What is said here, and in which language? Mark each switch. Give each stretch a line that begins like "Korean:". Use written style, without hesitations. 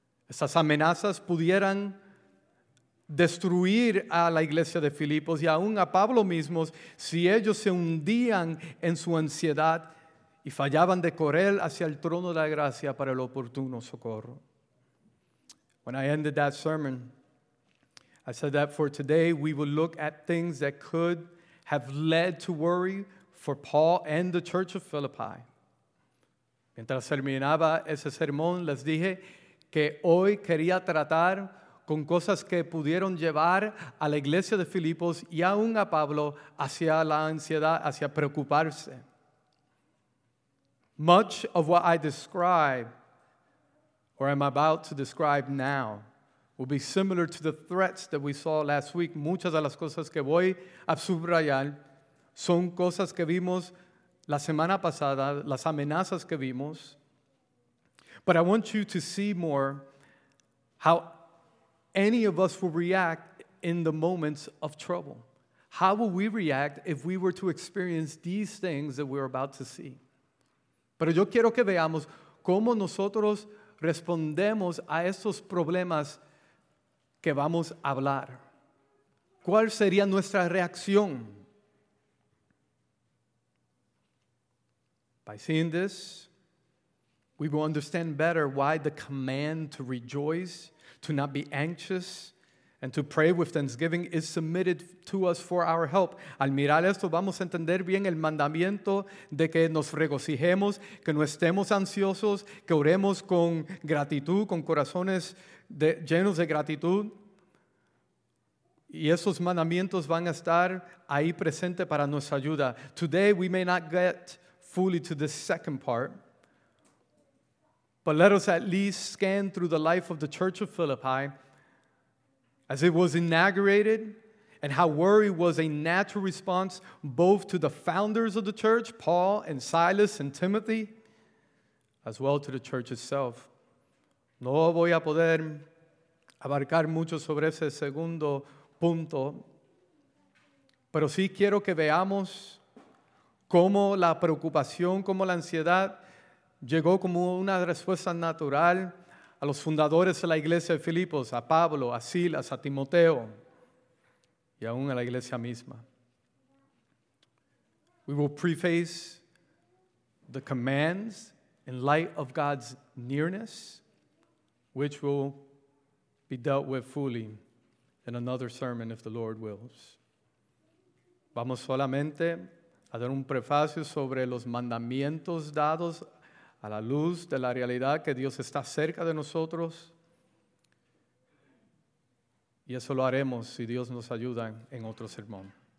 Spanish: Esas amenazas pudieran destruir a la iglesia de Filipos y aún a Pablo mismo si ellos se hundían en su ansiedad y fallaban de correr hacia el trono de la gracia para el oportuno socorro.
English: When I ended that sermon, I said that for today we will look at things that could have led to worry for Paul and the church of Philippi.
Spanish: Mientras terminaba ese sermón, les dije que hoy quería tratar con cosas que pudieron llevar a la iglesia de Filipos y aún a Pablo hacia la ansiedad, hacia preocuparse.
English: Much of what I describe, or am about to describe now, will be similar to the threats that we saw last week.
Spanish: Muchas de las cosas que voy a subrayar son cosas que vimos la semana pasada, las amenazas que vimos.
English: But I want you to see more how any of us will react in the moments of trouble. How will we react if we were to experience these things that we're about to see?
Spanish: Pero yo quiero que veamos cómo nosotros respondemos a estos problemas que vamos a hablar. ¿Cuál sería nuestra reacción?
English: By seeing this, we will understand better why the command to rejoice, to not be anxious, and to pray with thanksgiving is submitted to us for our help.
Spanish: Al mirar esto, vamos a entender bien el mandamiento de que nos regocijemos, que no estemos ansiosos, que oremos con gratitud, con corazones llenos de gratitud. Y esos mandamientos van a estar ahí presentes para nuestra ayuda.
English: Today, we may not get fully to the second part, but let us at least scan through the life of the Church of Philippi as it was inaugurated and how worry was a natural response both to the founders of the church, Paul and Silas and Timothy, as well to the church itself.
Spanish: No voy a poder abarcar mucho sobre ese segundo punto, pero sí quiero que veamos cómo la preocupación, cómo la ansiedad llegó como una respuesta natural a los fundadores de la iglesia de Filipos, a Pablo, a Silas, a Timoteo, y aún a la iglesia misma.
English: We will preface the commands in light of God's nearness, which will be dealt with fully in another sermon if the Lord wills.
Spanish: Vamos solamente a dar un prefacio sobre los mandamientos dados a la luz de la realidad que Dios está cerca de nosotros. Y eso lo haremos si Dios nos ayuda en otro sermón.